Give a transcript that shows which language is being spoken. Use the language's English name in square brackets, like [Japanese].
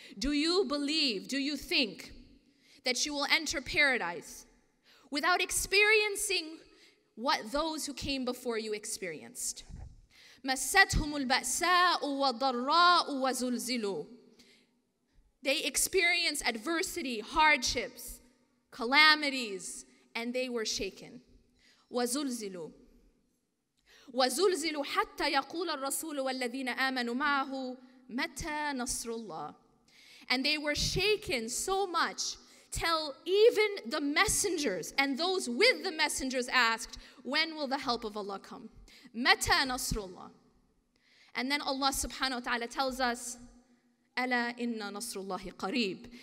[English] Do you believe, do you think that you will enter paradise without experiencing what those who came before you experienced? [Arabic] مَسَّتْهُمُ الْبَأْسَاءُ وَضَرَّاءُ وَزُلْزِلُوا. [English] They experience adversity, hardships, calamities, and they were shaken. وَزُلْزِلُوا. [Arabic] وزلزلوا حتى يقول الرسول والذين آمنوا معه متى نصر الله. [English] And they were shaken so much till even the messengers and those with the messengers asked, when will the help of Allah come? [Arabic] متى نصر الله. [English] And then Allah subhanahu wa ta'ala tells us, [Arabic] أَلَا إِنَّ نَصْرُ اللَّهِ قَرِيبٌ.